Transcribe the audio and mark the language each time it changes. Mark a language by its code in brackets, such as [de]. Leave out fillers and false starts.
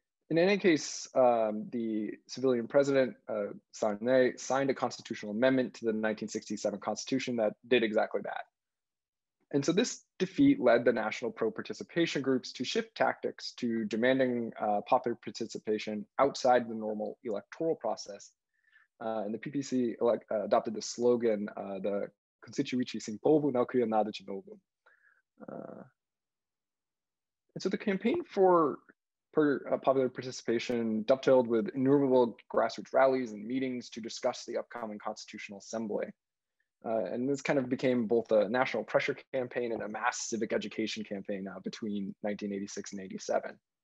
[en] In any case, the civilian president, Sarney, signed a constitutional amendment to the 1967 constitution that did exactly that. And so this defeat led the national pro-participation groups to shift tactics to demanding popular participation outside the normal electoral process. And the PPC adopted the slogan, the [pt] Constituinte sem povo não cria nada de novo. [en] And so the campaign for popular participation dovetailed with innumerable grassroots rallies and meetings to discuss the upcoming constitutional assembly. And this kind of became both a national pressure campaign and a mass civic education campaign between 1986 and 87.